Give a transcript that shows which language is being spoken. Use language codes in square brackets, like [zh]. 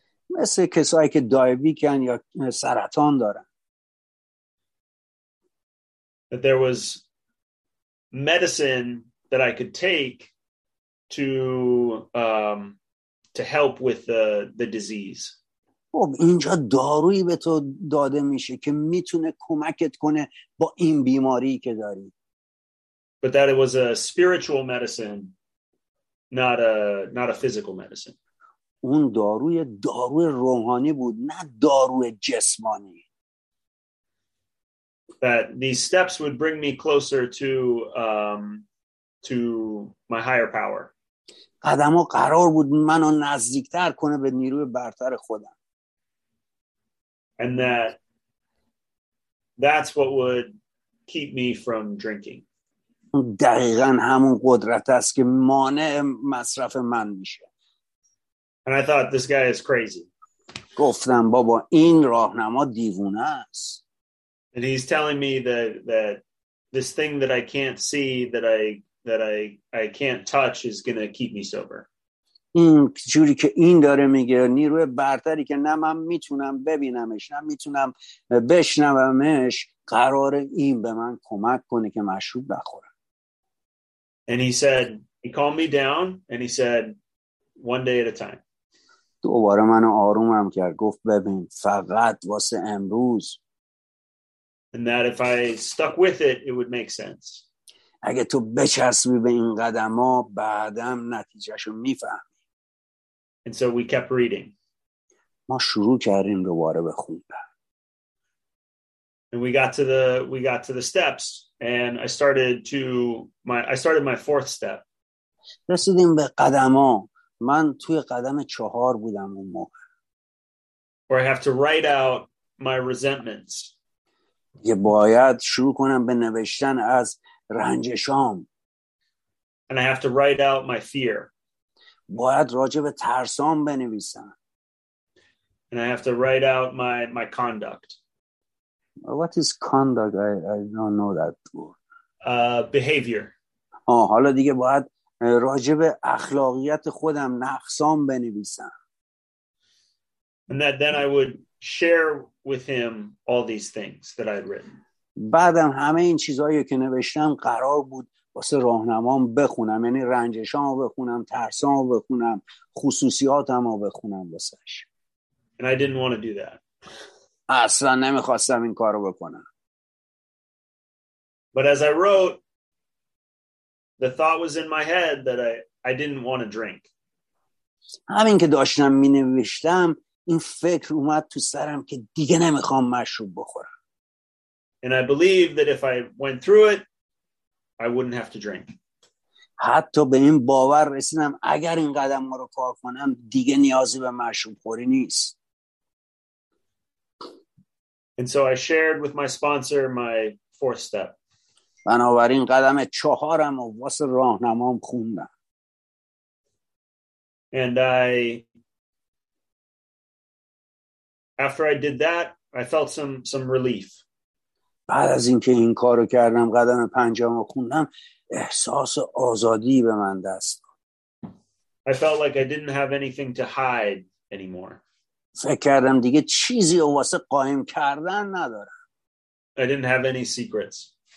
[fa] مثل کسایی که دیابتیکن یا سرطان دارن. [en] That there was medicine that I could take to help with the disease. [fa] خب اینجا دارویی به تو داده میشه که میتونه کمکت کنه با این بیماری که داری. [en] But that it was a spiritual medicine, not a physical medicine. [fa] اون داروی روحانی بود، نه داروی جسمانی. [en] That these steps would bring me closer to my higher power. [fa] قدم ها قرار بود منو نزدیکتر کنه به نیروی برتر خودم. [en] And that's what would keep me from drinking. [fa] دقیقاً همون قدرت است که مانع مصرف من میشه. [en] And I thought this guy is crazy. [fa] گفتم بابا این راهنما دیوونه است. [en] And he's telling me that this thing that I can't see, that I can't touch is going to keep me sober. [fa] این جوری که این داره میگه نیروی برتری که نه من میتونم ببینمش نه میتونم بشنومش قراره این به من کمک کنه که مشروب بخورم. [en] And he said he calmed me down and he said one day at a time. [fa] دوباره منو آرومم کرد گفت ببین فقط واسه امروز [en] and that if I stuck with it it would make sense [fa] اگه تو بچسبی به این قدم ها بعدم نتیجهشو میفهمی [en] and so we kept reading [fa] ما شروع کردیم دوباره به خوندن [en] And we got to the steps, and I started my fourth step. [fa] رسیدیم به قدم ها. من توی قدم چهار بودم اون موقع. [en] Where I have to write out my resentments. [fa] یه باید شروع کنم به نوشتن از رنجشام. [en] And I have to write out my fear. [fa] باید راجع به ترسام بنویسم. [en] And I have to write out my conduct. What is conduct? I don't know that word. Behavior. [fa] آه حالا دیگه باید راجب اخلاقیت خودم نقصام بنویسم. [en] And that then I would share with him all these things that I had written. [fa] بعدم همه این چیزهایی که نوشتم قرار بود واسه راهنمام بخونم. یعنی رنجشام رو بخونم، ترسام رو بخونم، خصوصیاتم رو بخونم واسش. [en] And I didn't want to do that. [fa] اصلا نمیخواستم این کارو بکنم. [en] But as I wrote, the thought was in my head that I didn't want to drink. [fa] همین که داشتم مینوشتم این فکر اومد تو سرم که دیگه نمیخوام مشروب بخورم. [en] And I believe that if I went through it, I wouldn't have to drink. [fa] حتی به این باور رسیدم اگر این قدم رو کار کنم دیگه نیازی به مشروب خوری نیست. [en] And so I shared with my sponsor my fourth step. [fa] بنابراین قدم چهارم و واسه راهنمام خوندم. [en] And I after I did that, I felt some relief. [fa] بعد از اینکه این کارو کردم قدم پنجمو خوندم احساس آزادی به من دست داد. [en] I felt like I didn't have anything to hide anymore. [fa] فکر کردم دیگه چیزی رو واسه قایم کردن ندارم. [en] I didn't have any secrets.